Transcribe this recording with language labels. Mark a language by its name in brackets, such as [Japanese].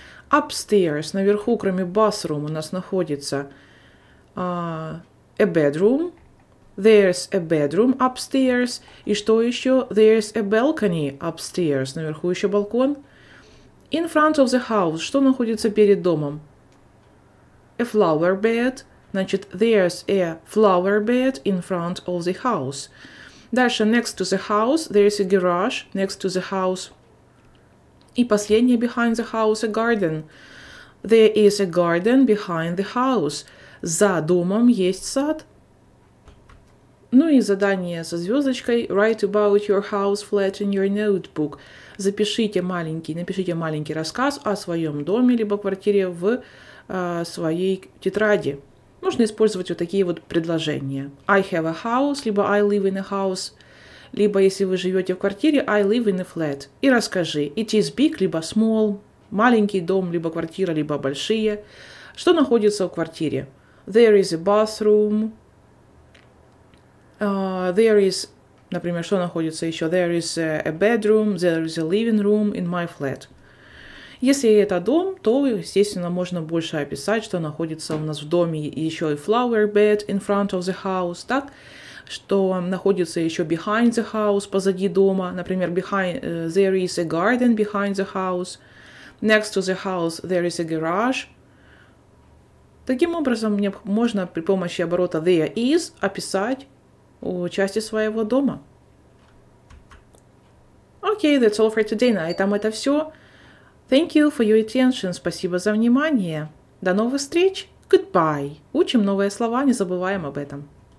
[Russian] Upstairs, наверху, кроме bathroom, у нас находится a bedroom. [English] There's a bedroom upstairs. [Russian] И что еще? [English] There's a balcony upstairs. [Russian] Наверху еще балкон. [English] In front of the house. [Russian] Что находится перед домом? [English] A flower bed. Значит, there's a flower bed in front of the house. Дальше, next to the house, there is a garage next to the house. [Russian] И последнее, [English] behind the house, a garden. There is a garden behind the house. [Russian] За домом есть сад. Ну и задание со звездочкой. [English] Write about your house flat in your notebook. [Russian] Напишите маленький рассказ о своем доме либо квартире в своей тетради. Можно использовать вот такие вот предложения. [English] I have a house, либо I live in a house. [Russian] Либо, если вы живете в квартире, [English] I live in a flat. [Russian] И расскажи. [English] It is big, либо small. [Russian] Маленький дом, либо квартира, либо большие. Что находится в квартире? [English] There is a bathroom. There is, [Russian] например, что находится еще? [English] There is a bedroom. There is a living room in my flat. [Russian] Если это дом, то, естественно, можно больше описать, что находится у нас в доме еще и [English] flower bed in front of the house, [Russian] так? Что находится еще [English] behind the house, [Russian] позади дома. [English] Например, there is a garden behind the house. Next to the house there is a garage. [Russian] Таким образом, мне можно при помощи оборота there is описать части своего дома. [English] Okay, that's all for today. [Russian] На этом это все. [English] Thank you for your attention. [Russian] Спасибо за внимание. До новых встреч. [English] Goodbye. [Russian] Учим новые слова, не забываем об этом.